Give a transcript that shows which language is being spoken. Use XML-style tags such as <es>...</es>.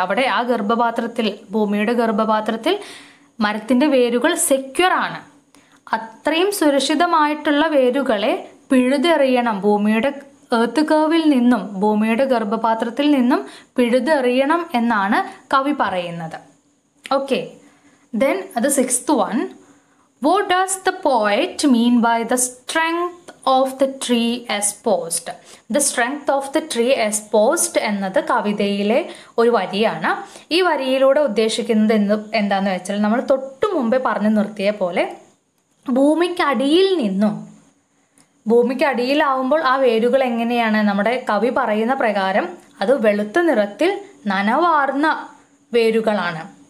<ml>അവിടെ ആ ഗർഭപാത്രത്തിൽ, ഭൂമിയുടെ ഗർഭപാത്രത്തിൽ മരത്തിൻ്റെ വേരുകൾ സെക്യൂറാണ്. അത്രയും സുരക്ഷിതമായിട്ടുള്ള വേരുകളെ പിഴുതെറിയണം, ഭൂമിയുടെ എർത്ത് കേവിൽ നിന്നും, ഭൂമിയുടെ ഗർഭപാത്രത്തിൽ നിന്നും പിഴുതെറിയണം എന്നാണ് കവി പറയുന്നത്.</ml> <en>Okay, then the sixth one, What does the poet mean by the strength of the tree as posed? The strength of the tree as posed</en> <ml>എന്നത് കവിതയിലെ ഒരു വരിയാണ്. ഈ വരിയിലൂടെ ഉദ്ദേശിക്കുന്നത് എന്താണെന്ന് വെച്ചാൽ നമ്മൾ തൊട്ടു മുമ്പേ പറഞ്ഞു നിർത്തിയ പോലെ ഭൂമിക്കടിയിൽ നിന്നും ഭൂമിക്കടിയിലാവുമ്പോൾ ആ വേരുകൾ എങ്ങനെയാണ് നമ്മുടെ കവി പറയുന്ന പ്രകാരം അത് വെളുത്ത നിറത്തിൽ നനവാർന്ന വേരുകളാണ്.</ml>